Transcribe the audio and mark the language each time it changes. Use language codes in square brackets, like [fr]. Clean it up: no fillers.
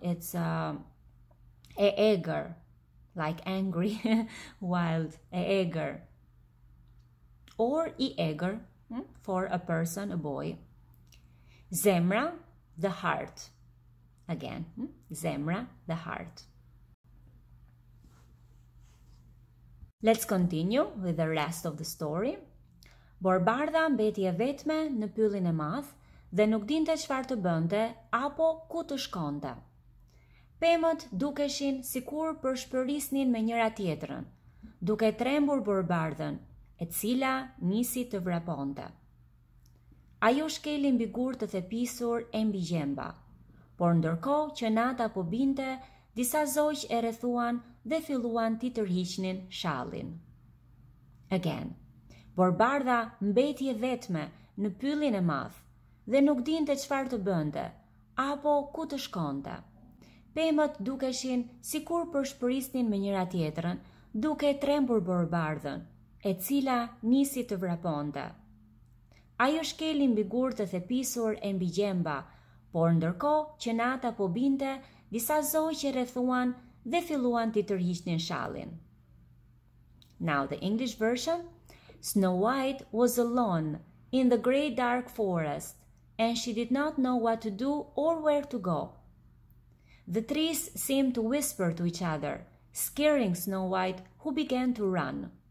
[en] It's e egër. Like angry, wild, eager, or eager for a person, a boy. Zemra, the heart. Again, zemra, the heart. Let's continue with the rest of the story. [sq] Borbardha mbeti e vetme në pyllin e madh dhe nuk dinte çfarë të bënte apo ku të shkonte. Pemët dukeshin sikur përshpërisnin me njëra tjetrën, duke trembur borbardhën, e cila nisi të vraponte. Ajo shkeli mbi gur të thepisur e mbi gjemba, por ndërkohë që nata po binte, disa zoq e rrethuan dhe filluan t'i tërhiqnin shallin. Again, borbardha mbeti e vetme në pyllin e madh dhe nuk dinte çfarë të bënte, apo ku të shkonte. Pemët dukeshin sikur përshpërisnin me njëra tjetrën, duke trembur borbardhën, e cila nisi të vraponte. Ajo shkeli mbi gur të thepisur e mbi gjemba, por ndërkohë që nata po binte, disa zoq që rrethuan dhe filluan të tërhiqnin shallin. [en] Now the English version, Snow White was alone in the great dark forest, and she did not know what to do or where to go. The trees seemed to whisper to each other, scaring Snow White, who began to run.